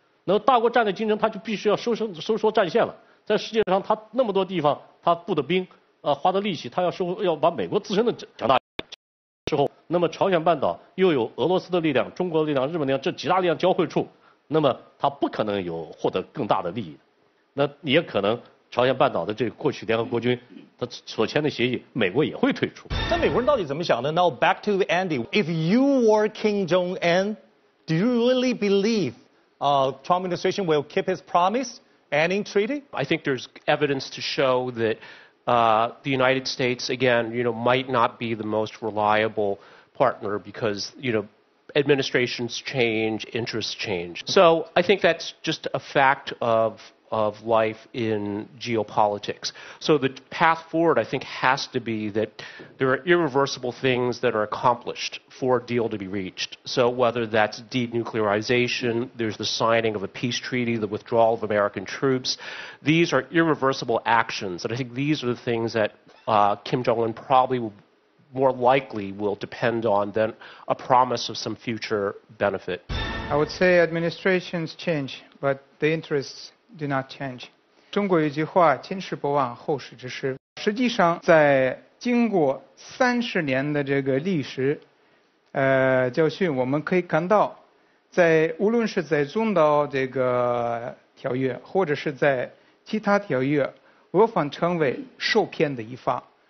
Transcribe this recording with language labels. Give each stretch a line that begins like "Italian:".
Chinese: 那大国战略竞争，他就必须要收缩战线了。在世界上，他那么多地方，他布的兵，花的力气，他要把美国自身的强大之后，那么朝鲜半岛又有俄罗斯的力量、中国的力量、日本力量这几大力量交汇处，那么他不可能有获得更大的利益。那也可能朝鲜半岛的这个过去联合国军他所签的协议，美国也会退出。那美国人到底怎么想的？
English: Now back to Andy, if you were Kim Jong Un, do you really believe, Trump administration will keep his promise and in treaty? I think there's evidence to show that the United States, again, you know, might not be the most reliable partner because, you know, administrations change, interests change. So I think that's just a fact of life in geopolitics. So the path forward, I think, has to be that there are irreversible things that are accomplished for a deal to be reached. So whether that's denuclearization, there's the signing of a peace treaty, the withdrawal of American troops, these are irreversible actions. And I think these are the things that Kim Jong-un probably will, more likely will depend on than a promise of some future benefit. I would say administrations change, but the interests do not change.
Chinese: 中国有句话，今时不忘，后世之师。实际上，在经过30年的这个历史，教训，我们可以看到，在无论是在中导这个条约，或者是在其他条约，俄方成为受骗的一方。